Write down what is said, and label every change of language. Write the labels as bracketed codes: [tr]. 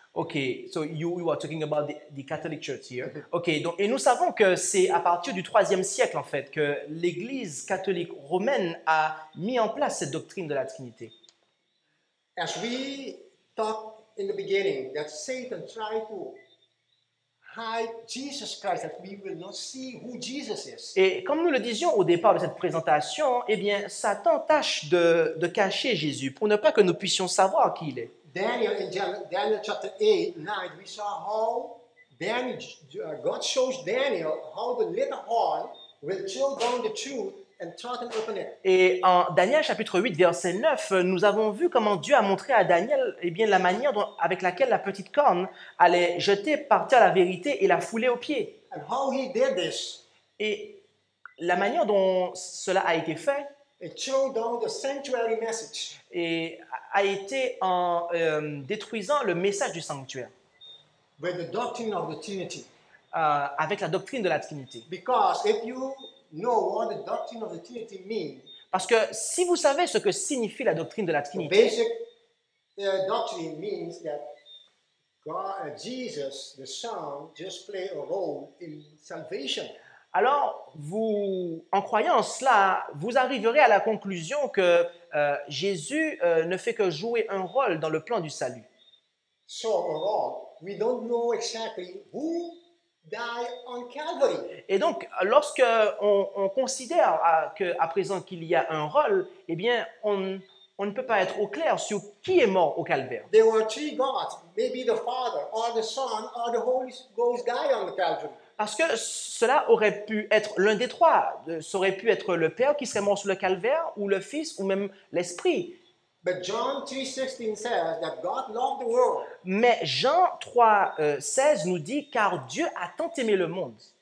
[en] Okay, so you are talking about the Catholic Church here. [fr] Okay, donc et nous savons que c'est à partir du 3e siècle en fait que l'Église catholique romaine a mis en place cette doctrine de la Trinité. [en] As we talked in the beginning, that Satan tried to hide Jesus Christ, that we will not see who Jesus is. [fr] Et comme nous le disions au départ de cette présentation, eh bien, Satan tâche de cacher Jésus pour ne pas que nous puissions savoir qui il est. [en] Daniel, in Daniel chapter 8:9, we saw how Daniel, God shows Daniel how the little horn will chill down the truth. [fr] Et en Daniel chapitre 8, verset 9, nous avons vu comment Dieu a montré à Daniel eh bien, la manière dont, avec laquelle la petite corne allait jeter, partir la vérité et la fouler aux pieds. [en] And how he did this, [fr] et la manière dont cela a été fait [en] it chilled down the sanctuary message. [fr] Et a été en détruisant le message du sanctuaire. [en] With the doctrine of the Trinity. [fr] Avec la doctrine de la Trinité. [en] Because if you know what the doctrine of the Trinity means. [fr] Parce que si vous savez ce que signifie la doctrine de la Trinité. [en] The basic doctrine means that God, Jesus, the Son, just play a role in salvation. [fr] Alors, vous, en croyant cela, vous arriverez à la conclusion que Jésus ne fait que jouer un rôle dans le plan du salut. [en] So, a role. We don't know exactly who. Die on Calvary. [fr] Et donc, lorsque on considère qu'à présent qu'il y a un rôle, eh bien, on ne peut pas être au clair sur qui est mort au calvaire. [en] There were three gods, maybe the Father or the Son or the Holy Ghost died on the Calvary. [fr] Parce que cela aurait pu être l'un des trois. Ça aurait pu être le Père qui serait mort sur le calvaire ou le Fils ou même l'Esprit. [en] But John 3:16 says that God loved the world. [fr] Mais Jean 3:16 nous dit car Dieu a tant aimé le monde.